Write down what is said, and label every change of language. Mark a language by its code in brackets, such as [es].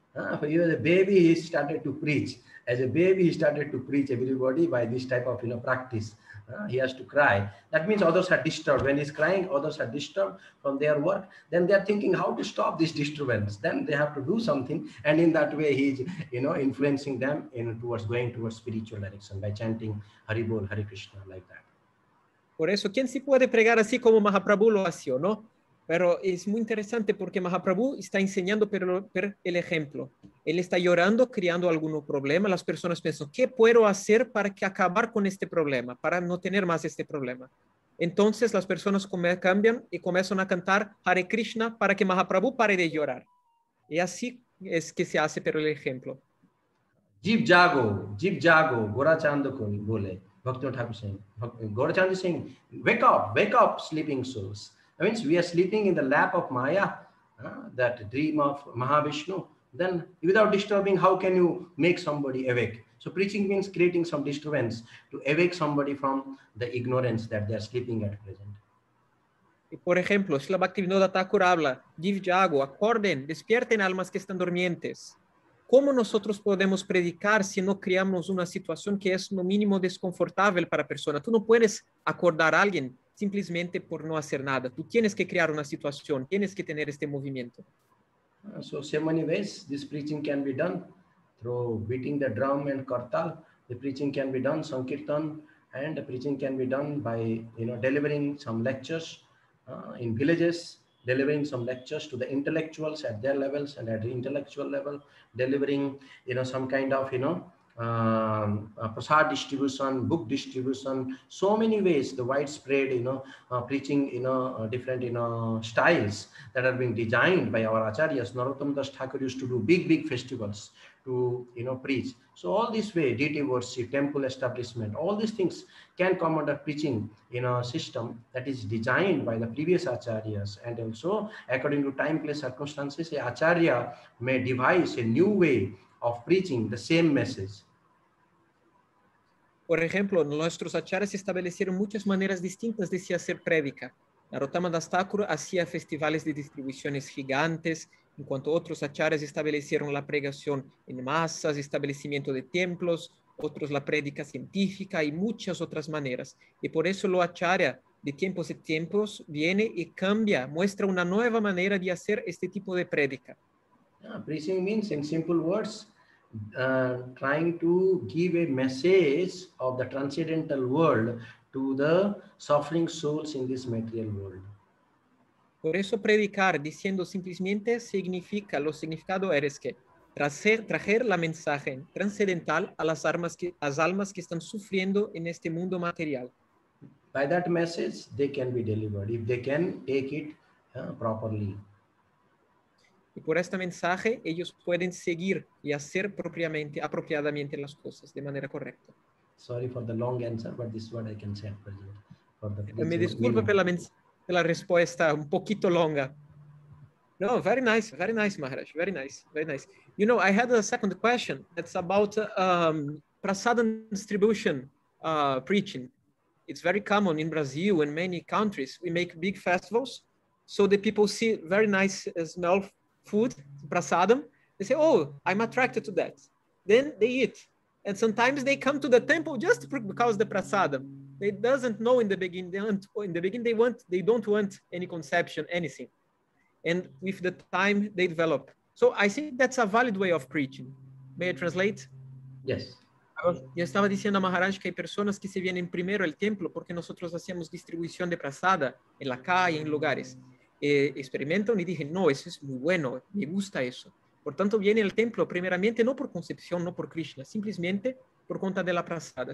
[en] As a baby he started to preach everybody by this type of, you know, practice. He has to cry. That means others are disturbed. When he's crying, others are disturbed from their work. Then they are thinking how to stop this disturbance. Then they have to do something. And in that way, he's, you know, influencing them in towards going towards spiritual direction by chanting Hari Bol, Hare Krishna, like that. [es] Por eso, ¿quién se puede pregar así como Mahaprabhu lo hacía, no? Pero es muy interesante porque Mahaprabhu está enseñando por el ejemplo. Él está llorando, criando algún problema. Las personas piensan, ¿qué puedo hacer para que acabar con este problema? Para no tener más este problema. Entonces las personas cambian y comienzan a cantar Hare Krishna para que Mahaprabhu pare de llorar. Y así es que se hace por el ejemplo. [bn] Jeev jago, Gorachando kuni, bole, Bhaktivinoda Thakur Singh. [en] Gorachando Singh, wake up, sleeping souls. That means we are sleeping in the lap of Maya, that dream of Mahavishnu. Then without disturbing, how can you make somebody awake? So preaching means creating some disturbance to awake somebody from the ignorance that they are sleeping at present. [es] Por ejemplo, Srila Bhaktivinoda Thakur habla, [bn] Jeev jago, [es] acorden, despierten almas que están durmientes. ¿Cómo nosotros podemos predicar si no creamos una situación que es lo mínimo desconfortable para la persona? Tú no puedes acordar a alguien simplemente por no hacer nada. Tú tienes que crear una situación, tienes que tener este movimiento. [en] So, so many ways this preaching can be done. Through beating the drum and kartal, the preaching can be done, sankirtan, and the preaching can be done by, you know, delivering some lectures in villages. Delivering some lectures to the intellectuals at their levels and at the intellectual level, delivering, you know, some kind of, you know, prasad distribution, book distribution, so many ways, the widespread, you know, preaching, you know, different, you know, styles that are being designed by our acharyas. Narottam Das Thakur used to do big, big festivals to, you know, preach. So all this way, deity worship, temple establishment, all these things can come under preaching in a system that is designed by the previous acharyas. And also, according to time, place, circumstances, a acharya may devise a new way of preaching the same message. [es] Por ejemplo, nuestros acharyas establecieron muchas maneras distintas de hacer prédica. Narottama Das Thakur hacía festivales de distribuciones gigantes, en cuanto otros acharyas establecieron la pregación en masas, establecimiento de templos, otros la prédica científica y muchas otras maneras. Y por eso lo acharya de tiempos y tiempos viene y cambia, muestra una nueva manera de hacer este tipo de prédica. [en] Yeah, preaching means, in simple words, trying to give a message of the transcendental world to the suffering souls in this material world. [es] Por eso predicar diciendo simplemente significa, lo significado es que traer la mensaje transcendental a las almas que están sufriendo en este mundo material. [en] By that message, they can be delivered if they can take it properly. [es] Y por este mensaje, ellos pueden seguir y hacer propiamente, apropiadamente las cosas de manera correcta. [en] Sorry for the long answer, but this is what I can say. [es] Me disculpo por la respuesta un poquito longa. [en] No, very nice, Maharaj, very nice, very nice. You know, I had a second question that's about prasadam distribution preaching. It's very common in Brazil and many countries. We make big festivals, so the people see very nice smell food, prasadam. They say, oh, I'm attracted to that. Then they eat. And sometimes they come to the temple just because the prasadam. They doesn't know in the beginning. They don't want any conception, anything. And with the time, they develop. So I think that's a valid way of preaching. May I translate? Yes. [es] Yo estaba diciendo a Maharaj que hay personas que se vienen primero al templo porque nosotros hacemos distribución de prasada en la calle, en lugares. Experimentan y dije, no, eso es muy bueno, me gusta eso. Por tanto, viene al templo primeramente no por concepción, no por Krishna, simplemente por cuenta de la prasada.